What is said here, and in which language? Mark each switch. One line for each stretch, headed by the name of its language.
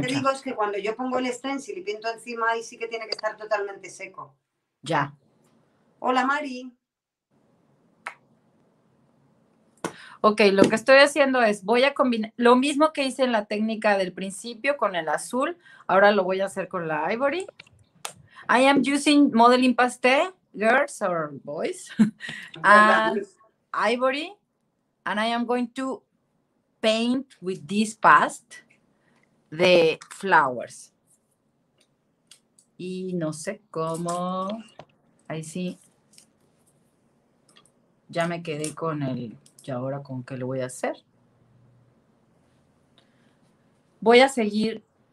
Spanish: que te digo es que cuando yo pongo el stencil y pinto encima, ahí sí que tiene que estar totalmente seco. Ya. Hola, Mari. Ok, lo que estoy haciendo es, voy a combinar lo mismo que hice en la técnica del principio con el azul, ahora lo voy a hacer con la ivory.
English: I am using modeling pasté, girls or boys, and ivory, and I am going to paint with this paste the flowers.
Spanish: Y no sé cómo, ahí sí, ya me quedé con el, ¿y ahora con qué lo voy a hacer? Voy a seguir...